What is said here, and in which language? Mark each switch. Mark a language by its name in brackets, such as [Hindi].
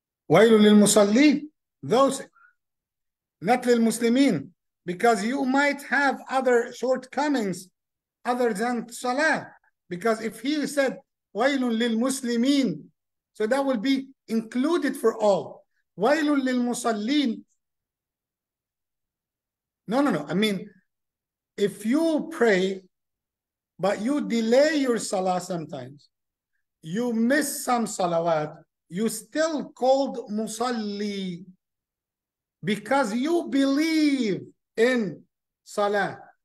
[Arabic] وَيْلُ لِلْمُصَلِّينَ [English] Those, not [Arabic] للمسلمين, [English] because you might have other shortcomings other than salah. Because if he said, [Arabic] وَيْلُ لِلْمُسْلِمِينَ [English] So that will be included for all. [Arabic] وَيْلُ لِلْمُصَلِّينَ No. [English] I mean, if you pray, but you delay your salah sometimes, you miss some salawat, you still called musalli because you believe in salah.